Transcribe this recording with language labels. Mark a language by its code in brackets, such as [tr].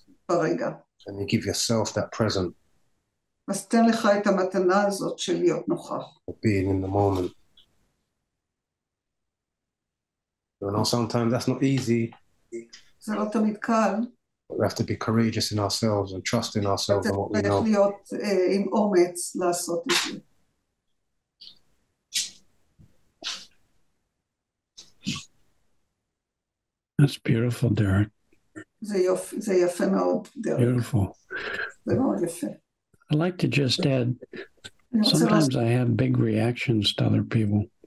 [en] And you give yourself that present. [he] אז תן לך את המתנה הזאת של להיות נוכח. [en] Being in the moment. You know, sometimes that's not easy. [he] זה לא תמיד קל. [en] We have to be courageous in ourselves and trust in ourselves and what we know. [he] צריך להיות עם אומץ לעשות את זה. [en] That's beautiful, Derek. [he] זה יפה מאוד, Derek. [en] Beautiful. [he] זה מאוד יפה. [en] I'd like to just add, sometimes I have big reactions to other people.